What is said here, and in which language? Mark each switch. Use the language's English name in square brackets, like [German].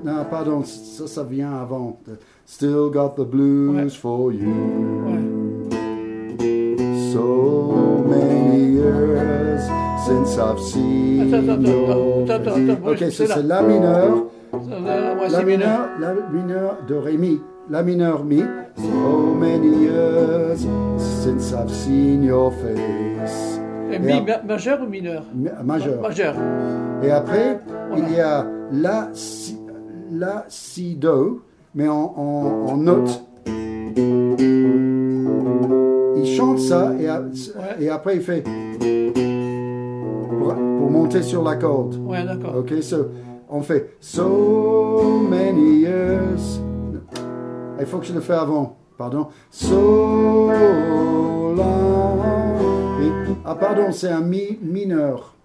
[French] Pardon, ça, ça vient avant. [English] Still got the blues [French] ouais. [English] For you. [French] Ouais. [English] So many years since I've seen [French] attends, ok, c'est ça, c'est la mineur. La mineur de ré mi. La mineur mi. [English] So many years since I've seen your face. [French] Majeur ou mineur? Majeur. Majeur. Et après, voilà. Il y a la. Si, La, Si, Do, mais en note. Il chante ça et après il fait pour monter sur la corde. Ouais, d'accord. [English] Ok, so, on fait So many years. [French] Il faut que je le fasse avant, pardon. So long. Et, ah, pardon, c'est un mi mineur.